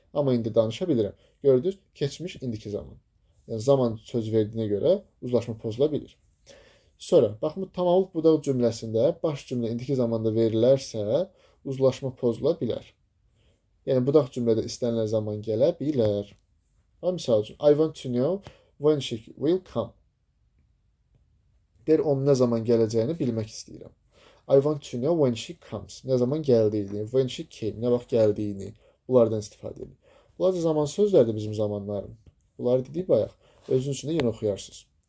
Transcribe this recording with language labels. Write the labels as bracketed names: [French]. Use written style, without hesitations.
[Azerbaijani] Amma indi danışa bilirəm. Gördünüz, keçmiş indiki zaman. Yəni, zaman söz verdiyinə görə uzlaşma pozula bilir. Sonra, baxın, tamamlıq budaq cümləsində baş cümlə indiki zamanda verilərsə, uzlaşma pozula bilər. Yəni, budaq cümlədə istənilən zaman gələ bilər. Ama misal üçün, [English] I want to know when she will come. [Azerbaijani] Deyir, onun nə zaman gələcəyini bilmək istəyirəm. [English] I want to know when she comes. [Azerbaijani] Nə zaman gəldiyini, [English] when she came, [Azerbaijani] nə vaxt gəldiyini, bunlardan istifadə edin. Bunlar da zaman sözlərdir bizim zamanlarım. Bunları dedik bayaq, özün üçün də yenə oxuyarsınız.